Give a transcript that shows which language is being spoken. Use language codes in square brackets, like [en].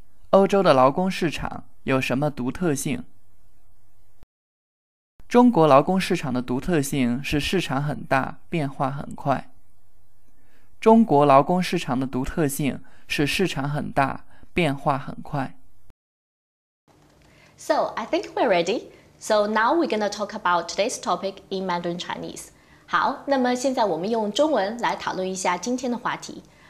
[zh] 欧洲的劳工市场有什么独特性？中国劳工市场的独特性是市场很大，变化很快。中国劳工市场的独特性是市场很大，变化很快。 [en] So, I think we're ready. So, now we're going to talk about today's topic in Mandarin Chinese. [zh] 好，那么现在我们用中文来讨论一下今天的话题。